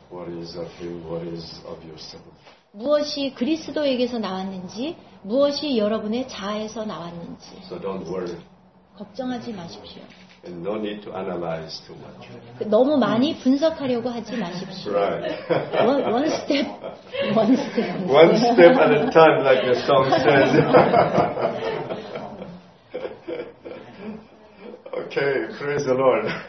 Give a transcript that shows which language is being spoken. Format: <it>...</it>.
<en>what is of him, what is of yourself.</en> <ko>무엇이 그리스도에게서 나왔는지 무엇이 여러분의 자아에서 나왔는지</ko> <en>So don't worry.</en> <ko>걱정하지 마십시오.</ko> <en>And no need to analyze too much.</en> <ko>너무 많이 분석하려고 하지 마십시오.</ko> <en>Right. One step. One step at a time, like the song says. Okay, praise the Lord.</en>